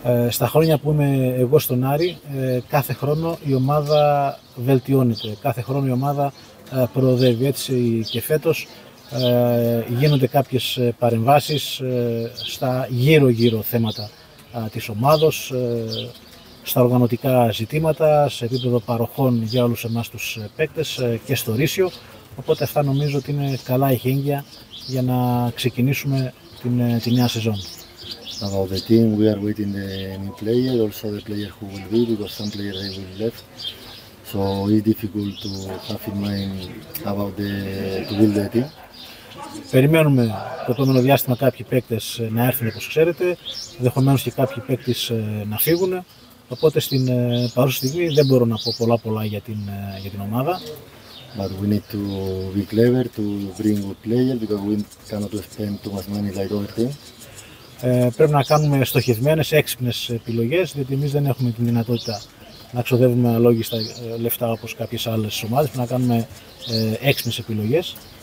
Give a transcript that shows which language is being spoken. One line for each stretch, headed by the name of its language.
Greek: Στα χρόνια που είμαι εγώ στον Άρη, κάθε χρόνο η ομάδα βελτιώνεται, κάθε χρόνο η ομάδα προοδεύει, έτσι και φέτος γίνονται κάποιες παρεμβάσεις στα γύρω-γύρω θέματα της ομάδος, στα οργανωτικά ζητήματα, σε επίπεδο παροχών για όλους εμάς τους παίκτες και στο Ρήσιο. Οπότε αυτά νομίζω ότι είναι καλά ηχέγγυα για να ξεκινήσουμε τη νέα σεζόν.
English: About the team, we are waiting the new player, also the player who will be, because some players they will left. So it's difficult to have in mind about to build the team.
Greek: Περιμένουμε το επόμενο διάστημα κάποιοι παίκτες να έρθουν, όπως ξέρετε, ενδεχομένως και κάποιοι παίκτες να φύγουν. Οπότε στην παρούσα στιγμή δεν μπορώ να πω πολλά για την ομάδα.
English: But we need to be clever to bring good players because we cannot spend too much money like other team.
Greek: Πρέπει να κάνουμε στοχευμένες, έξυπνες επιλογές, διότι εμείς δεν έχουμε την δυνατότητα να ξοδεύουμε αλόγιστα λεφτά όπως κάποιες άλλες ομάδες. Πρέπει να κάνουμε έξυπνες επιλογές.